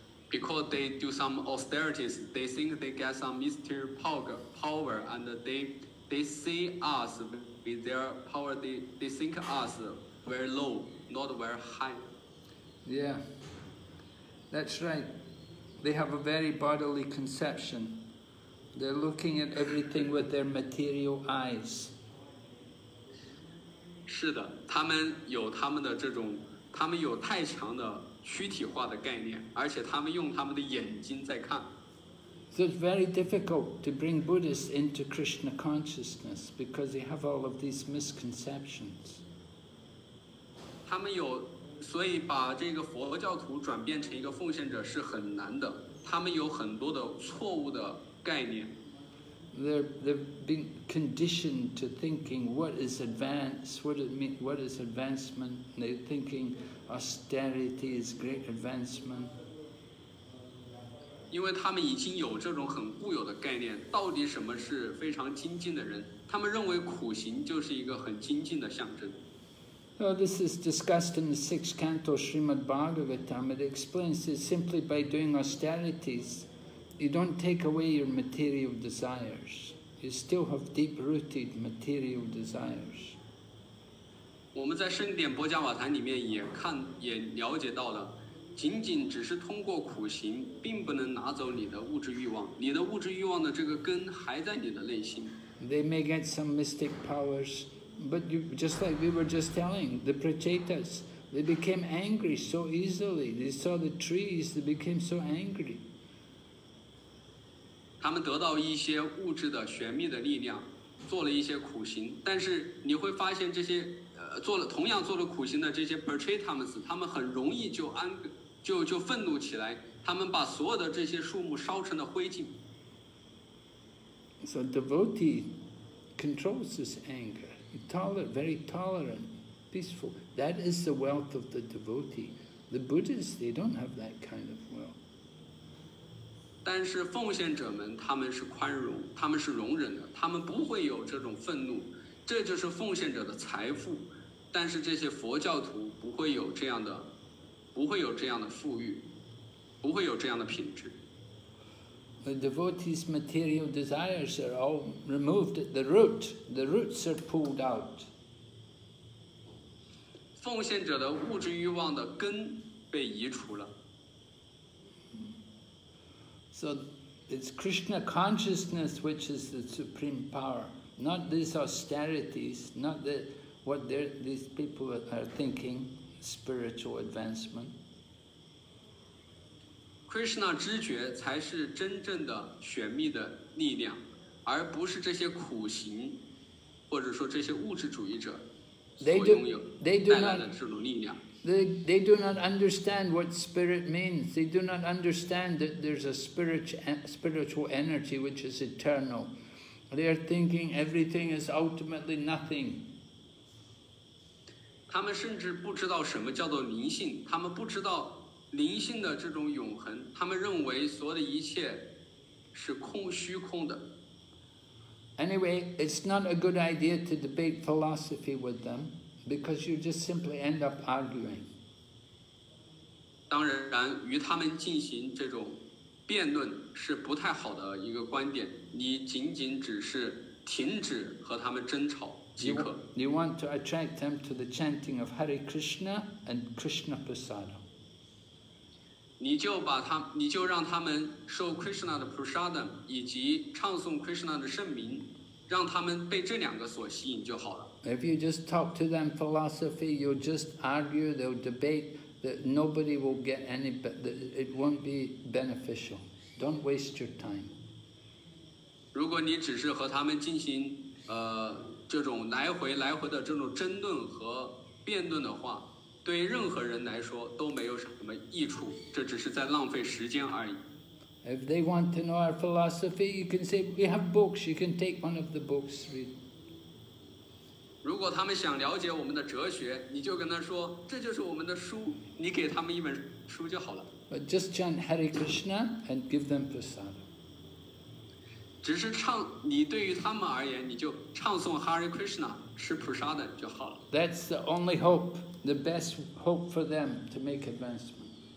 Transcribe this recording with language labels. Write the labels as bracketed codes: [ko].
[en] Because they do some austerities, they think they get some mystical power, and they see us with their power, they think us very low, not very high. Yeah, that's right. They have a very bodily conception. They're looking at everything with their material eyes. [zh] 是的，他们有他们的这种他们有太强的躯体化的概念，而且他们用他们的眼睛在看。 [en] So it's very difficult to bring Buddhists into Krishna consciousness because they have all of these misconceptions. [zh] 他们有，所以把这个佛教徒转变成一个奉献者是很难的。他们有很多的错误的概念。 [en] They've been conditioned to thinking what is advance, what is advancement. They're thinking austerity is great advancement. [zh] 因为他们已经有这种很固有的概念，到底什么是非常精进的人？他们认为苦行就是一个很精进的象征。 [en] So this is discussed in the sixth canto Srimad Bhagavatam. It explains that simply by doing austerities, you don't take away your material desires. You still have deep-rooted material desires. [zh] 我们在圣典波迦瓦坛里面也了解到了，仅仅只是通过苦行，并不能拿走你的物质欲望。你的物质欲望的这个根还在你的内心。 [en] They may get some mystic powers. But you, just like we were just telling, the Prachetas, they became angry so easily. They saw the trees, they became so angry. [zh] 他们得到一些物质的玄秘的力量，做了一些苦行。但是你会发现这些，做了同样做了苦行的这些 Prachetas, 他们很容易就愤怒起来。他们把所有的这些树木烧成了灰烬。 [en] So devotee controls his anger. Very tolerant, peaceful. That is the wealth of the devotee. The Buddhists, they don't have that kind of wealth. [zh] 但是奉献者们，他们是宽容，他们是容忍的，他们不会有这种愤怒。这就是奉献者的财富。但是这些佛教徒不会有这样的，不会有这样的富裕，不会有这样的品质。 [en] The devotee's material desires are all removed at the root. The roots are pulled out. [zh] 奉献者的物质欲望的根被移除了。 [en] So it's Krishna consciousness which is the supreme power, not these austerities, not the, what these people are thinking, spiritual advancement. [zh] Krishna 知觉才是真正的玄秘的力量，而不是这些苦行，或者说这些物质主义者所拥有带来的这种力量。 [en] They do not understand what spirit means. They do not understand that there's a spiritual energy which is eternal. They are thinking everything is ultimately nothing. [zh] 他们甚至不知道什么叫做灵性，他们不知道。灵性的这种永恒，他们认为所有的一切是空虚空的。 [en] Anyway, it's not a good idea to debate philosophy with them because you just simply end up arguing. [zh] 当然，与他们进行这种辩论是不太好的一个观点。你仅仅只是停止和他们争吵即可。 [en] You want to attract them to the chanting of Hare Krishna and Krishna Prasada. [zh] 你就让他们受 Krishna 的 prasadam 以及唱诵 Krishna 的圣名，让他们被这两个所吸引就好了。 [en] If you just talk to them philosophy, you'll just argue, they'll debate, that nobody will get any, that it won't be beneficial. Don't waste your time. [zh] 如果你只是和他们进行这种来回的这种争论和辩论的话。对任何人来说都没有什么益处，这只是在浪费时间而已。 [en] If they want to know our philosophy, you can say we have books. You can take one of the books. Read. [zh] 如果他们想了解我们的哲学，你就跟他说这就是我们的书，你给他们一本书就好了。 [en] But just chant Hare Krishna and give them prasada. [zh] 只是唱，你对于他们而言，你就唱诵 Hare Krishna, 吃 prasada 就好了。 [en] That's the only hope. The best hope for them to make advancement.